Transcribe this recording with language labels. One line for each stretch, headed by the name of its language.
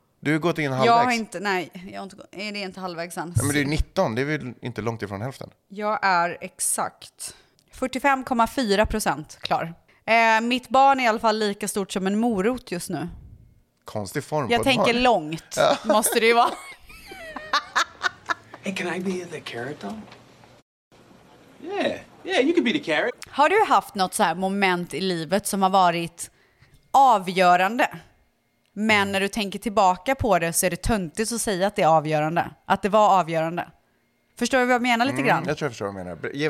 Swedish: Du har gått in halvvägs. Jag har inte, är det inte halvvägs än? Men det är 19, det är väl inte långt ifrån hälften. Jag är exakt 45,4% klar. Mitt barn är i alla fall lika stort som en morot just nu. Konstig form. Jag tänker barn. Långt, ja. Måste det ju vara.
English: Hey, can I be the carrot though? Yeah, you can be the carrot.
Swedish: Har du haft något så här moment i livet som har varit avgörande? Men när du tänker tillbaka på det så är det töntigt att säga att det är avgörande. Att det var avgörande. Förstår du vad jag menar lite grann? Jag tror jag förstår vad jag menar.